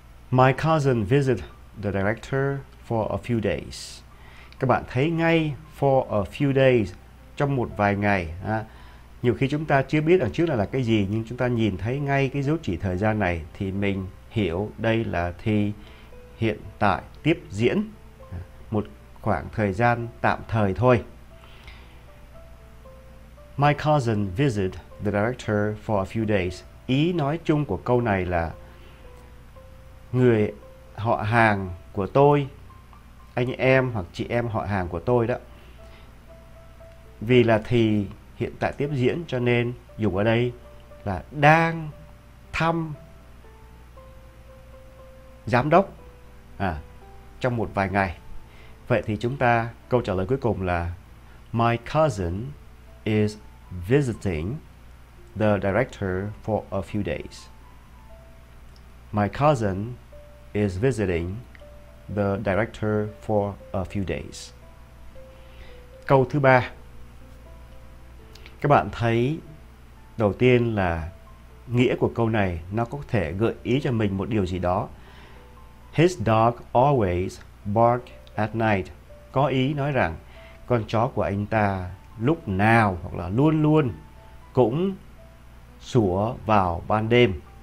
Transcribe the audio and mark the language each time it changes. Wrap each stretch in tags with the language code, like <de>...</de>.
<en>My cousin visits the director for a few days.</en> <vi>Các bạn thấy ngay</vi> <en>for a few days,</en> <vi>trong một vài ngày. À, nhiều khi chúng ta chưa biết đằng trước là cái gì, nhưng chúng ta nhìn thấy ngay cái dấu chỉ thời gian này thì mình hiểu đây là thì hiện tại tiếp diễn, một khoảng thời gian tạm thời thôi.</vi> <en>My cousin visited the director for a few days.</en> <vi>Ý nói chung của câu này là người họ hàng của tôi, anh em hoặc chị em họ hàng của tôi đó. Vì là thì hiện tại tiếp diễn cho nên dùng ở đây là đang thăm giám đốc trong một vài ngày. Vậy thì chúng ta câu trả lời cuối cùng là</vi> <en>My cousin is visiting the director for a few days. My cousin is visiting the director for a few days.</en> <vi>Câu thứ ba. Các bạn thấy đầu tiên là nghĩa của câu này nó có thể gợi ý cho mình một điều gì đó.</vi> <en>His dog always barks at night.</en> <vi>Có ý nói rằng con chó của anh ta lúc nào hoặc là luôn luôn cũng sủa vào ban đêm.</vi>